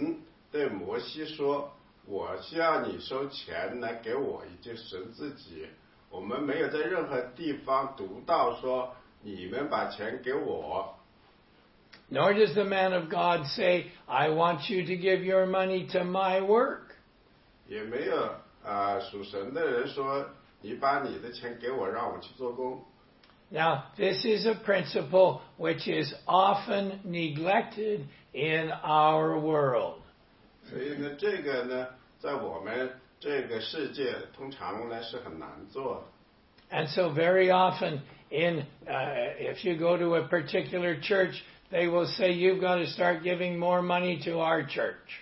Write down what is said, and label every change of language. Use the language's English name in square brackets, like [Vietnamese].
[Chinese] 在旧约里呢，神对摩西说， 我需要你收钱来给我，也就神自己。我们没有在任何地方读到说你们把钱给我。 [English] Nor does the man of God say, I want you to give your money to my work. [Chinese] 也没有属神的人说你把你的钱给我，让我去做工。 [English] Now, this is a principle which is often neglected in our world. [Chinese] 所以呢，这个呢， 在我们这个世界，通常呢是很难做的。 [English] And so very often, in if you go to a particular church, they will say you've got to start giving more money to our church.